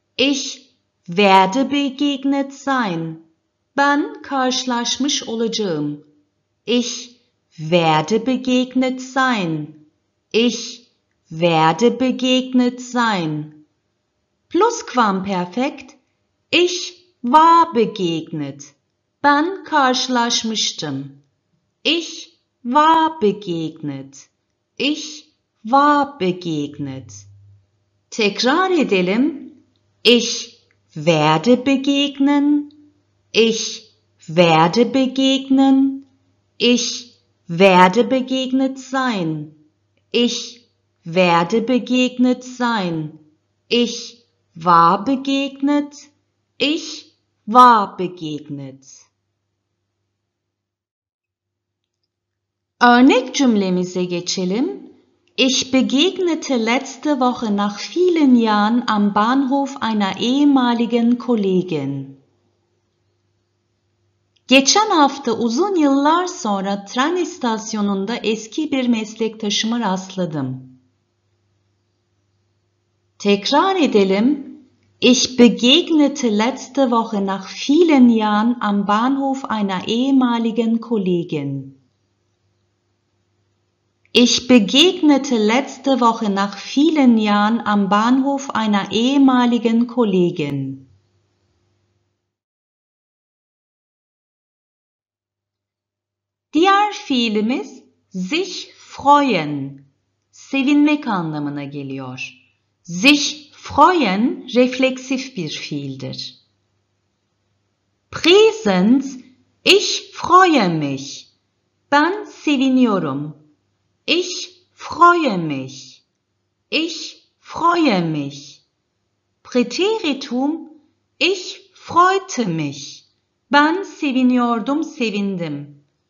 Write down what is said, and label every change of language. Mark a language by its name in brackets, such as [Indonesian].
[German] Ich werde begegnet sein. [Turkish] Ben karşılaşmış olacağım. [German] Ich werde begegnet sein. Ich werde begegnet sein. Plusquamperfekt. Ich war begegnet. [Turkish] Ben karşılaşmıştım. [German] Ich war begegnet. Ich war begegnet. [Turkish] Tekrar edelim. [German] Ich werde begegnen. Ich werde begegnen. Ich werde begegnet sein. Ich werde begegnet sein. Ich war begegnet. Ich war begegnet. [Turkish] Örnek cümlemize geçelim. [German] Ich begegnete letzte Woche nach vielen Jahren am Bahnhof einer ehemaligen Kollegin. [Turkish] Geçen hafta uzun yıllar sonra tren istasyonunda eski bir meslektaşıma rastladım. Tekrar edelim. [German] Ich begegnete letzte Woche nach vielen Jahren am Bahnhof einer ehemaligen Kollegin. Ich begegnete letzte Woche nach vielen Jahren am Bahnhof einer ehemaligen Kollegin. [Turkish] Diğer fiilimiz sich freuen, sevinmek anlamına geliyor. Sich Freuen reflexiv bir fiildir. [German] Präsens, ich freue mich. [Turkish] Ben seviniyorum. [German] Ich freue mich. Ich freue mich. Präteritum, ich freute mich. [Turkish] Ben seviniyordum, sevindim.